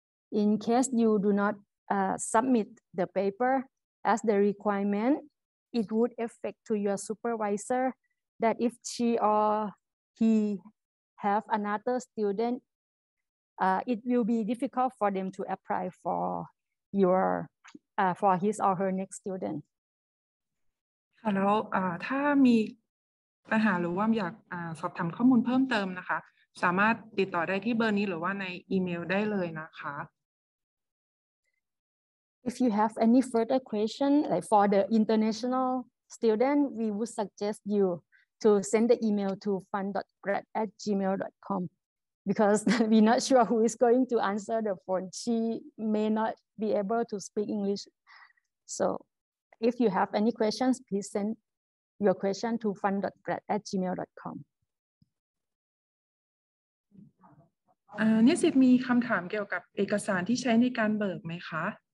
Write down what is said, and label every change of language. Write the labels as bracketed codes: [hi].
[en] In case you do not submit the paper as the requirement, it would affect to your supervisor that if she or he have another student, it will be difficult for them to apply for his or her next student. [th] ค่ะแล้วถ้ามีปัญหาหรือว่าอยากสอบถามข้อมูลเพิ่มเติมนะคะ สามารถติดต่อได้ที่เบอร์นี้หรือว่าในอีเมลได้เลยนะคะ [en] If you have any further question like for the international student we would suggest you to send the email to fun.grad@gmail.com because we're not sure who is going to answer the phone she may not be able to speak English so if you have any questions please send your question to fun.grad@gmail.com [th] นิสิตมีคำถามเกี่ยวกับเอกสารที่ใช้ในการเบิกไหมคะ